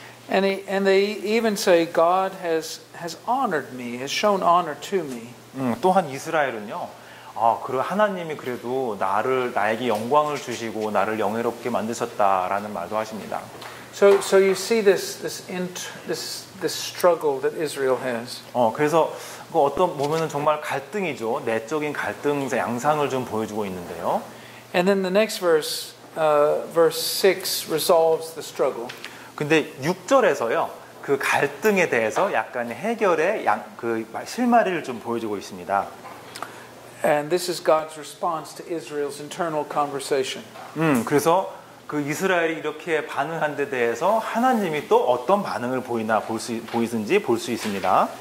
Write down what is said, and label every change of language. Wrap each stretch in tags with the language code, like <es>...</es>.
<en>And they even say God has honored me, has shown honor to me.</en> <ko>또한 이스라엘은요. 그리고 하나님이 그래도 나에게 영광을 주시고 나를 영예롭게 만드셨다라는 말도 하십니다.</ko> <en>So you see this struggle that Israel has.</en> <ko>그래서 그 어떤 보면은 정말 갈등이죠. 내적인 갈등 양상을 좀 보여주고 있는데요.</ko> <en>And then the next verse, verse 6 resolves the struggle.</en> <ko>근데 6절에서요. 그 갈등에 대해서 약간 해결의 실마리를 좀 보여주고 있습니다.</ko> <en>And this is God's response to Israel's internal conversation.</en> <ko>그래서 그 이스라엘이 이렇게 반응한 데 대해서 하나님이 또 어떤 반응을 보이는지 볼 수 있습니다.</ko>